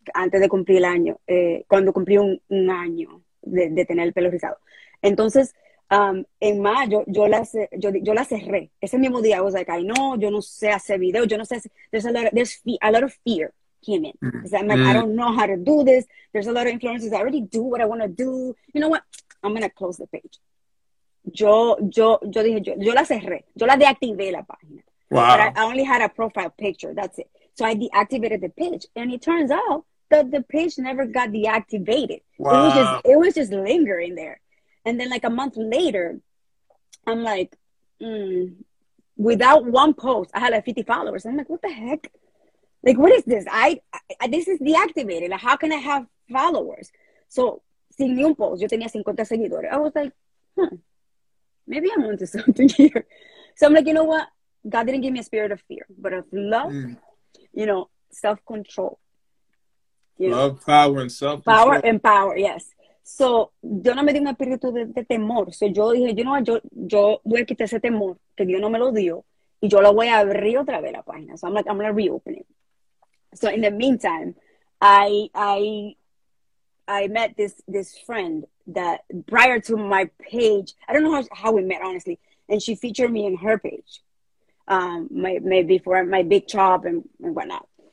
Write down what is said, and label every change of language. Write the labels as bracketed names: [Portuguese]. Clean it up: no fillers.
[Spanish] Antes de cumplir el año, cuando cumplí un año de tener el pelo rizado. Entonces, en mayo yo la cerré. Ese mismo día, [English] I was like, [Spanish] ay, no, yo no sé hacer video, yo no sé hacer. [English] A lot of fear came in. Because I'm like, I don't know how to do this. There's a lot of influencers. I already do what I want to do. You know what? I'm going to close the page. [Spanish] Yo dije, yo la cerré, yo la deactivé la página. But [English] Wow. I only had a profile picture, that's it. So I deactivated the page, and it turns out that the page never got deactivated. Wow. It was just lingering there. And then like a month later, I'm like, without one post, I had like 50 followers. I'm like, what the heck? Like, what is this? I this is deactivated. Like, how can I have followers? [Spanish] So sin ni un post, yo tenía 50 seguidores. [English] I was like, maybe I'm onto something here. So I'm like, you know what? God didn't give me a spirit of fear, but of love, self-control, Love, power, and self-control. power and power, yes. [Spanish] So yo no me di un espíritu de temor. So yo dije, [English] you know what? [Spanish] Yo voy a quitar ese temor que Dios no me lo dio y yo lo voy a abrir otra vez la página. [English] So I'm like, I'm gonna reopen it. So in the meantime, I met this friend that prior to my page, I don't know how we met honestly, and she featured me in her page, my before my big job and whatnot.